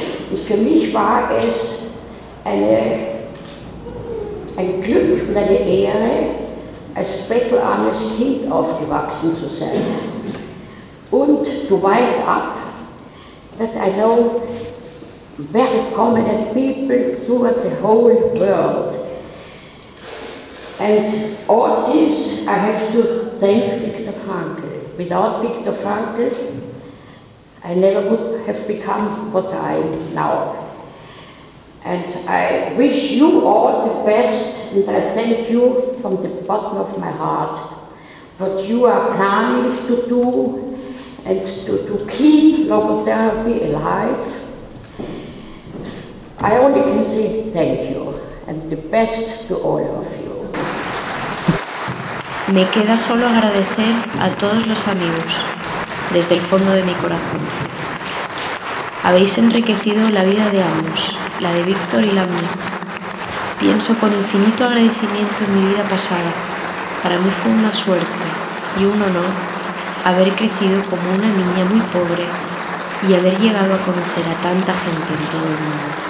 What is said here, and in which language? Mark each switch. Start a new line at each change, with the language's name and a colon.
German: Und für mich war es ein Glück und eine Ehre, als bettelarmes Kind aufgewachsen zu sein.
English: Und to wind up, that I know very prominent people throughout the whole world. And all this, I have to thank Viktor Frankl. Without Viktor Frankl, I never would have become what I am now. And I wish you all the best, and I thank you from the bottom of my heart what you are planning to do and to keep logotherapy alive. I only can say thank you and the best to all of you.
Spanish: Me queda solo agradecer a todos los amigos desde el fondo de mi corazón. Habéis enriquecido la vida de ambos, la de Víctor y la mía. Pienso con infinito agradecimiento en mi vida pasada. Para mí fue una suerte y un honor haber crecido como una niña muy pobre y haber llegado a conocer a tanta gente en todo el mundo.